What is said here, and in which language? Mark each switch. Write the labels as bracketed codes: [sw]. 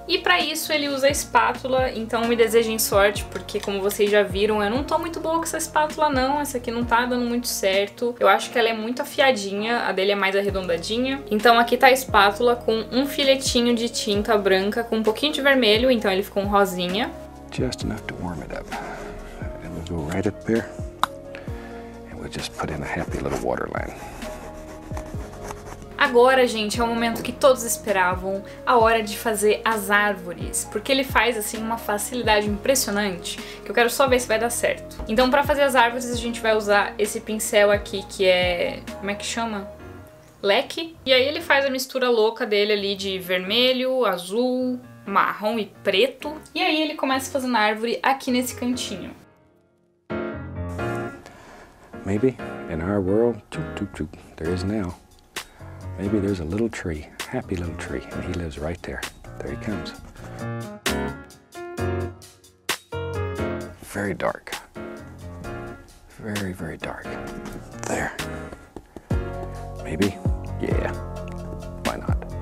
[pt] E para isso ele usa a espátula, então me desejem sorte, porque como vocês já viram, eu não tô muito boa com essa espátula não, essa aqui não tá dando muito certo. Eu acho que ela é muito afiadinha, a dele é mais arredondadinha. Então aqui tá a espátula com um filetinho de tinta branca com um pouquinho de vermelho, então ele ficou um rosinha. [en] Just enough to warm it up. And we'll go right up there. And we'll just put in a happy little water line. [pt] Agora, gente, é o momento que todos esperavam, a hora de fazer as árvores. Porque ele faz, assim, uma facilidade impressionante, que eu quero só ver se vai dar certo. Então, pra fazer as árvores, a gente vai usar esse pincel aqui, que é... como é que chama? Leque. E aí ele faz a mistura louca dele ali de vermelho, azul, marrom e preto. E aí ele começa fazendo a árvore aqui nesse cantinho. [en] Maybe, in our world, there is now. Maybe there's a little tree, happy little tree, and he lives right there. There he comes. Very dark. Very, very dark. There. Maybe? Yeah. Why not?